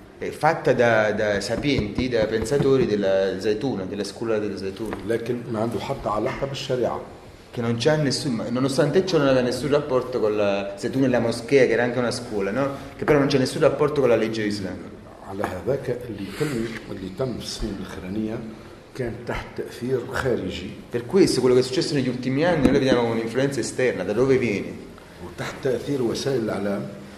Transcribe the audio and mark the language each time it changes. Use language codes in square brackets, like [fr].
[it] fatta da sapienti, da pensatori della Zaytuna, della scuola della Zaytuna. [ar] لكن ما عنده حتى علاقة بالشريعة. [it] Che non c'ha nessun, nonostante ciò non aveva nessun rapporto con la Zaytuna e la moschea che era anche una scuola, no? Che però non c'è nessun rapporto con la legge islamica. [ar] على هذاك اللي تم في السنين الأخرانية كان تحت تأثير خارجي. [it] Per questo quello che è successo negli ultimi anni noi lo vediamo come un'influenza esterna, da dove viene? [ar] وتحت تأثير وسائل الإعلام.